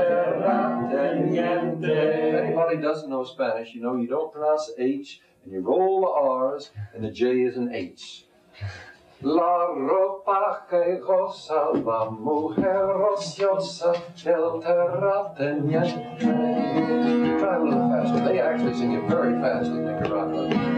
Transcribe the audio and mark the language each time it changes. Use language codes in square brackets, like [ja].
[en] If anybody doesn't know Spanish, you know you don't pronounce H and you roll the R's and the J is an H. [es] La ropa que goza la mujer ociosa del terrateniente. [en] Try a little faster. They actually sing it very fast in Nicaragua.